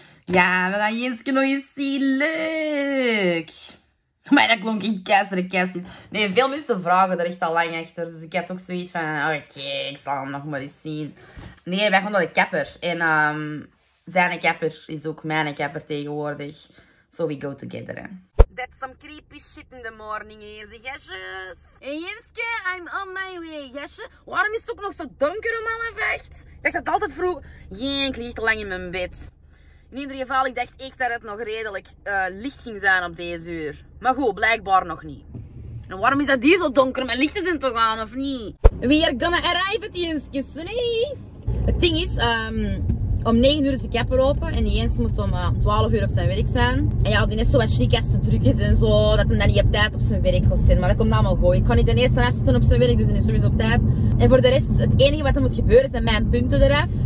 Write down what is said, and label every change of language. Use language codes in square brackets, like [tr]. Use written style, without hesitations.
[nl] Ja, we gaan Jenske nog eens zien. Leuk. Maar dat klonk in kerst. Nee, veel mensen vragen er echt al lang achter. Dus ik had ook zoiets van, oké, ik zal hem nog maar eens zien. Nee, wij gaan naar de kapper. En zijn kapper is ook mijn kapper tegenwoordig. [en] So we go together. That's some creepy shit in the morning, [nl] Jezus. [en] Yes. Hey Jenske, I'm on my way, Jesje. [nl] Waarom is het ook nog zo donker om 11:30? Ik dacht dat altijd vroeg. Jee, ik lig te lang in mijn bed. In ieder geval, ik dacht echt dat het nog redelijk licht ging zijn op deze uur. Maar goed, blijkbaar nog niet. En waarom is dat hier zo donker? Mijn lichten zijn toch aan, of niet? [en] We are gonna arrive at Jenske, [nl] nee. Het ding is, om 9 uur is de kapper open en Jens moet om 12 uur op zijn werk zijn. En ja, die is zo wat chic als te druk is en zo, dat hij dan niet op tijd op zijn werk kan zijn. Maar dat komt allemaal goed. Ik kan niet de eerste afzetten op zijn werk, dus hij is sowieso op tijd. En voor de rest, het enige wat er moet gebeuren, zijn mijn punten eraf.